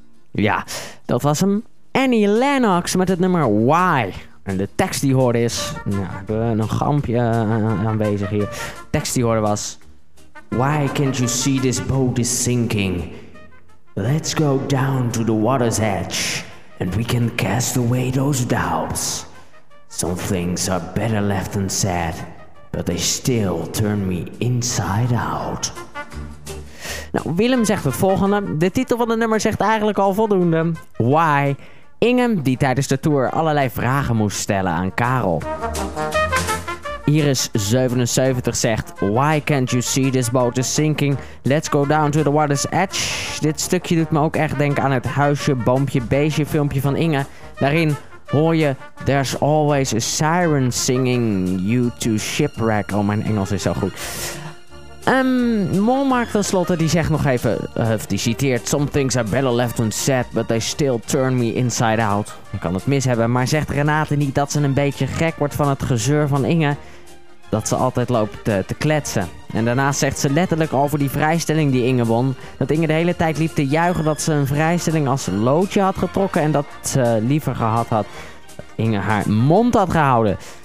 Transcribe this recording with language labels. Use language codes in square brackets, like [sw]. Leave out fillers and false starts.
[nl] Ja, dat was hem. Annie Lennox met het nummer Why. En de tekst die hoorde is... Nou, hebben we een gampje aanwezig hier. De tekst die hoorde was... [en] Why can't you see this boat is sinking? Let's go down to the water's edge. And we can cast away those doubts. Some things are better left unsaid. But they still turn me inside out. [nl] Nou, Willem zegt het volgende. De titel van het nummer zegt eigenlijk al voldoende. Why? Ingem, die tijdens de tour allerlei vragen moest stellen aan Karel. Iris77 zegt... [en] Why can't you see this boat is sinking? Let's go down to the water's edge. [nl] Dit stukje doet me ook echt denken aan het huisje, boompje, beestje filmpje van Inge. Daarin hoor je... [en] There's always a siren singing you to shipwreck. [nl] Oh, mijn Engels is zo goed. Mol maakt tenslotte, die zegt nog even, die citeert... [en] Some things are better left unsaid, but they still turn me inside out. [nl] Ik kan het mis hebben, maar zegt Renate niet dat ze een beetje gek wordt van het gezeur van Inge? Dat ze altijd loopt te kletsen. En daarnaast zegt ze letterlijk over die vrijstelling die Inge won. Dat Inge de hele tijd liep te juichen dat ze een vrijstelling als loodje had getrokken... en dat ze liever gehad had dat Inge haar mond had gehouden...